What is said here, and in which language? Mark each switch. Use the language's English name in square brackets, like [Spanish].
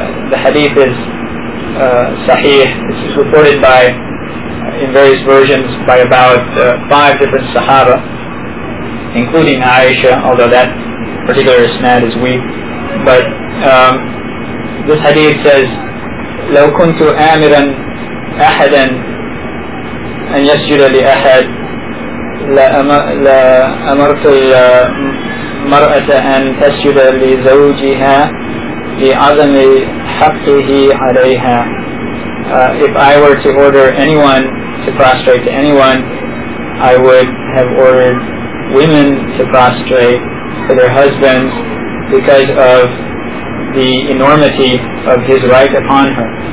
[English] The hadith is sahih. This is reported by, in various versions, by about five different sahaba, including Aisha, although that particular isnad is weak. But this hadith says, [Arabic] لو كنت آمرا أحدا أن يسجد لأحد لأمرت المرأة أن تسجد لزوجها لعظم حقه عليها. [English] If I were to order anyone to prostrate to anyone, I would have ordered women to prostrate to their husbands because of the enormity of his right upon her.